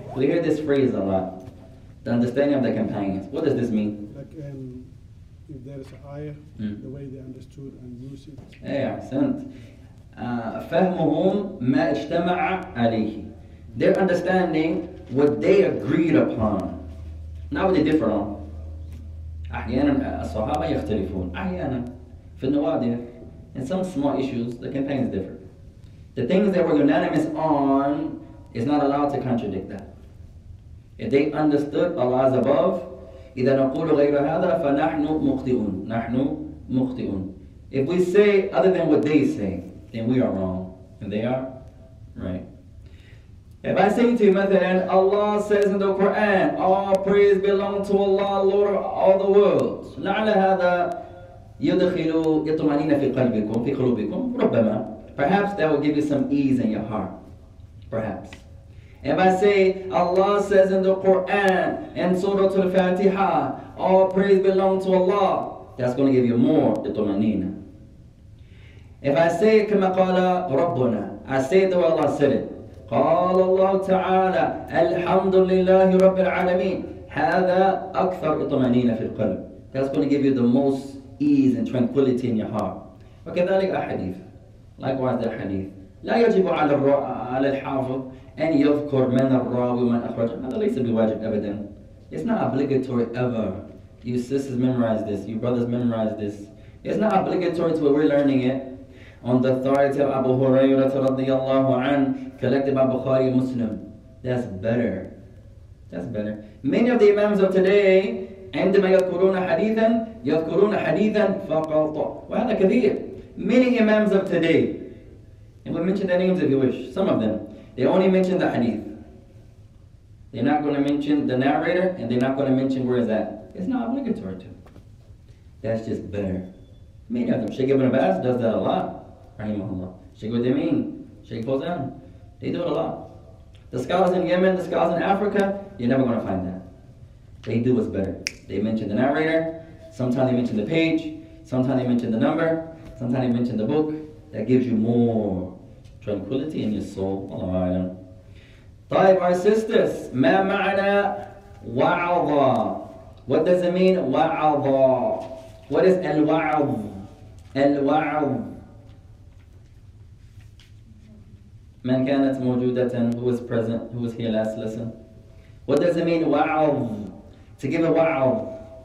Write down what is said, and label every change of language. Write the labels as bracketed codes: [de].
[en] We hear this phrase a lot. The understanding of the companions. What does this mean? Like if there is an ayah, the way they understood and used it. [ar] Hey, أحسنت. فهمهم ما اجتمع عليه. [en] Their understanding, what they agreed upon. Not what they differ on. [ar] أحيانا الصحابة يختلفون. أحيانا في النوادي. [en] In some small issues, the companions differ. The things they were unanimous on is not allowed to contradict that. If they understood Allah is above, [ar] إذا نقول غير هذا فنحن مخطئون. نحن مخطئون. [en] If we say other than what they say, then we are wrong. And they are right. If I say to you, مثلاً, Allah says in the Quran, all praise belong to Allah, Lord of all the worlds. [ar] لعل هذا يدخل يطمئن في قلبكم في قلوبكم ربما. [en] Perhaps that will give you some ease in your heart. Perhaps. If I say, Allah says in the Quran and Surah Al-Fatiha, all praise belong to Allah, that's going to give you more يطمئن. If I say, [ar] كما قال ربنا, [en] I say the way Allah said it. [ar] قال الله تعالى الحمد لله رب العالمين هذا أكثر إطمأنينة في القلب. [en] That's going to give you the most ease and tranquility in your heart. [ar] وكذلك الحديث. [en] Likewise the hadith. [ar] لا يجب على الحافظ أن يذكر من الراوي ومن أخرج. هذا ليس بواجب أبدا. [en] It's not obligatory ever. You sisters memorize this. You brothers memorize this. It's not obligatory to what we're learning it. On the authority of Abu Hurairah radiallahu an, collected by Bukhari Muslim. That's better. That's better. Many of the Imams of today, [ar] عندما يذكرون حديثا, يذكرون حديثا فقط. وهذا كثير. [en] Many Imams of today, and we'll mention their names if you wish, some of them, they only mention the hadith. They're not going to mention the narrator, and they're not going to mention where is that. It's not obligatory to. That's just better. Many of them. Sheikh Ibn Abbas does that a lot. Rahimahullah. Sheikh Uthaymeen, Sheikh Fawzan, they do it a lot. The scholars in Yemen, the scholars in Africa, you're never going to find that. They do what's better. They mention the narrator, sometimes they mention the page, sometimes they mention the number, sometimes they mention the book. That gives you more tranquility in your soul. Allah a'lam. [ar] طيب, [en] our sisters, [ar] ما معنى وعظة? [en] What does it mean, وعظة? What is الوعظ? [ar] الوعظ. من كانت موجودة, [en] who was present, who was here last lesson. What does it mean, wa'av? To give a wa'av.